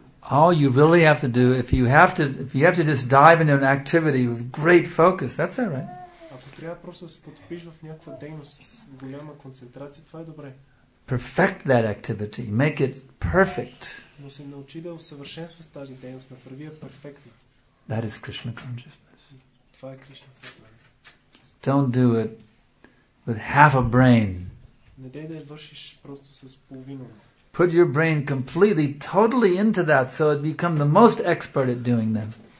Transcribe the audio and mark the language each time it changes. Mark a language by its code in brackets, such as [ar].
[en] All you really have to do, if you have to just dive into an activity with great focus, that's all right. [bg] Ако трябва просто да се потопиш в някаква дейност с голяма концентрация, това е добре. [en] Perfect that activity, make it perfect. [bg] Но се научи да усъвършенстваш тази дейност, направи я перфектна. [en] That is Krishna consciousness. [bg] Това е Кришна съзнание. [en] Don't do it with half a brain. [bg] Не дей да я вършиш просто с половина. [en] Put your brain completely, totally into that, so it become the most expert at doing that.